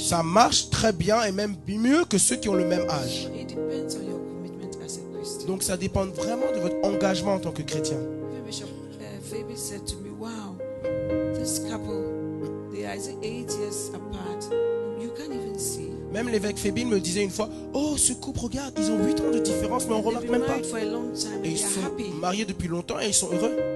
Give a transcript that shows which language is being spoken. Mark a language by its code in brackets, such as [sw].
[fr] Ça marche très bien et même mieux que ceux qui ont le même âge. [en] So it depends on your commitment as a Christian. [fr] Donc ça dépend vraiment de votre engagement en tant que chrétien. [en] Fabi said to me, wow, this couple, they are 8 years apart. You can't even see. [fr] Même l'évêque Fébine me disait une fois, oh ce couple, regarde, ils ont 8 ans de différence, mais on ne remarque même pas. Et ils sont mariés depuis longtemps et ils sont heureux.